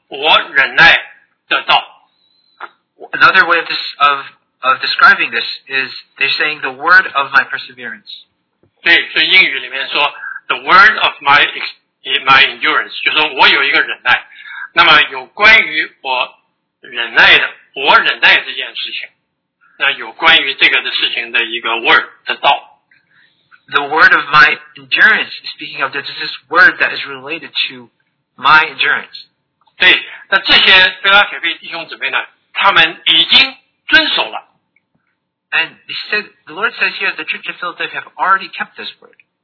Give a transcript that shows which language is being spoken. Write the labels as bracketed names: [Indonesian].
[Chinese] 那有一个对我的忍耐的一个描写或者解释，叫做我忍耐的道。 [English] Another way of describing this is they're saying the word of my perseverance. [Chinese] 对，所以英语里面说 [English] the word of my endurance, [Chinese] 就是说我有一个忍耐，那么有关于我忍耐的，我忍耐这件事情，那有关于这个的事情的一个 word 的道。 [English] The word of my endurance, speaking of this word that is related to my endurance. [Chinese] 对，那这些腓拉铁贝弟兄姊妹呢，他们已经遵守了。And [English] he said, the Lord says here, the church of Philadelphia have already kept this word.